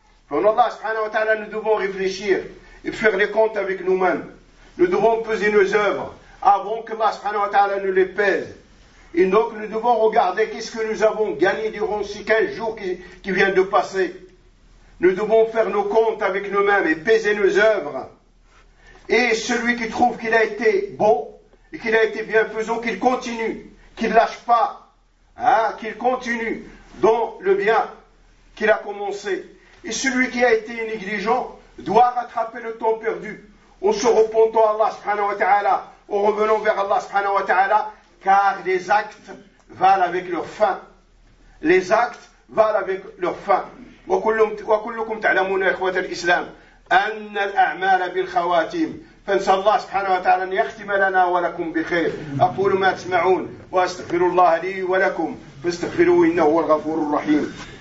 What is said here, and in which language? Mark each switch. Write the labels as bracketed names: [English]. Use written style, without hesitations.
[Arabic] فإن الله سبحانه وتعالى [French] nous devons réfléchir et faire les comptes avec nous-mêmes nous devons peser nos œuvres avant que Allah سبحانه وتعالى nous les pèse et donc nous devons regarder qu'est-ce que nous avons gagné durant ces 15 jours qui viennent de passer nous devons faire nos comptes avec nous-mêmes et peser nos œuvres et celui qui trouve qu'il a été bon et qu'il a été bienfaisant qu'il continue qu'il ne lâche pas hein, qu'il continue dans le bien qu'il a commencé. Et celui qui a été négligent doit rattraper le temps perdu en se repentant à Allah subhanahu wa ta'ala, en revenant vers Allah subhanahu wa ta'ala, car les actes valent avec leur fin. Les actes valent avec leur fin. [Arabic] وكلكم تعلمون إخوة الإسلام أن الأعمال بالخواتيم فنسأل الله سبحانه وتعالى أن يختم لنا ولكم بخير أقول ما تسمعون وأستغفر الله لي ولكم فاستغفروا إنه هو الغفور الرحيم